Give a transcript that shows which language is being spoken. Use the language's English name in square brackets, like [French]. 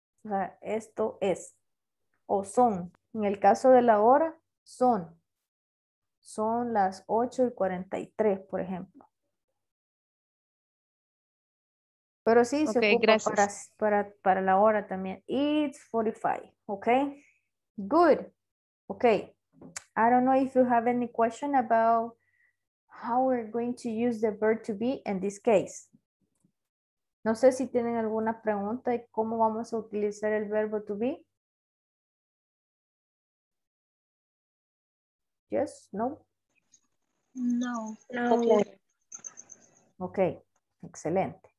[Spanish] O sea, esto es. O son. En el caso de la hora, son. Son las 8:43, por ejemplo. Pero sí, se okay, ocupa para la hora también. [English] It's 45, ok. Good. Ok. I don't know if you have any question about how we're going to use the verb to be in this case. [Spanish] No sé si tienen alguna pregunta de cómo vamos a utilizar el verbo to be. [English] Yes, no. No, no. Okay. Ok, excelente.